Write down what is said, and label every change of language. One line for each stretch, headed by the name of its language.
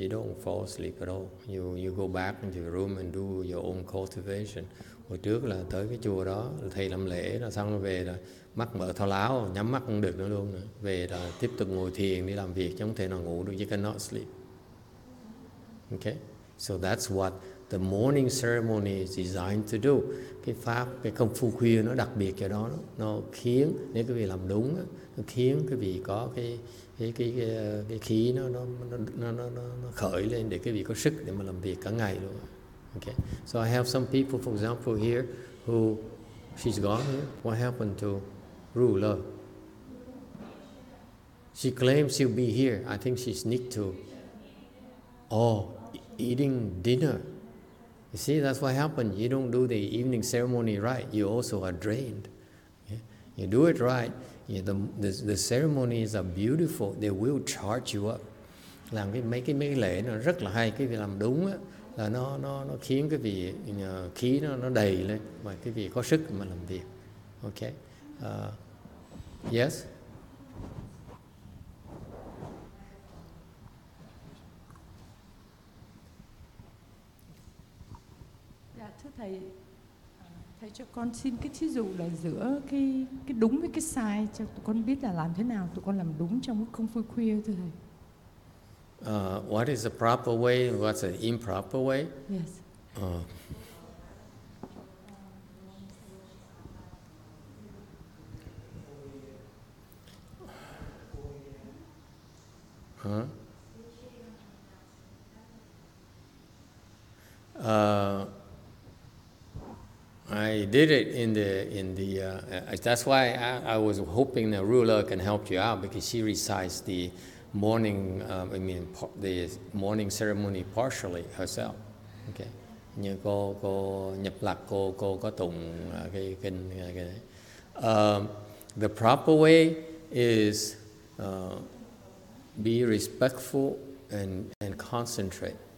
English: You don't fall asleep at all. You go back into your room and do your own cultivation.
Vietnamese: Hồi trước là tới cái chùa đó, thầy làm lễ, rồi xong rồi về là mắt mở thao láo, nhắm mắt không được nữa luôn. Về là tiếp tục ngồi thiền đi làm việc, chứ không thể nào ngủ được.
English: You cannot sleep. Okay, so that's what the morning ceremony is designed to do.
Vietnamese: Cái pháp, cái công phu khuya nó đặc biệt cho đó. Nó khiến, nếu quý vị làm đúng, nó khiến quý vị có cái khí nó khởi lên để quý vị có sức để mà làm việc cả ngày luôn.
English: Okay, so I have some people, for example, here who she's gone here. What happened to Rula? She claims she'll be here. I think she's need to. Oh, eating dinner. You see, that's what happened. You don't do the evening ceremony right, you also are drained. Yeah? You do it right, yeah, the ceremonies are beautiful. They will charge you up.
Vietnamese: Làm cái mấy cái mấy lễ nó rất là hay. Cái việc làm đúng á là nó khiến cái vị khí nó đầy lên và cái vị có sức mà làm việc.
English: Okay. Yes.
Vietnamese: Thầy cho con xin cái thí dụ là giữa cái đúng với cái sai, cho tụi con biết là làm thế nào tụi con làm đúng trong cái công phu khuya, thưa thầy.
English: What is the proper way, what's the improper way? Yes. I did it in the that's why I was hoping the ruler can help you out, because she recites the morning the morning ceremony partially herself. Okay.
Vietnamese: Như cô nhập lạc cô có tụng cái kinh cái đấy.
English: The proper way is be respectful and concentrate.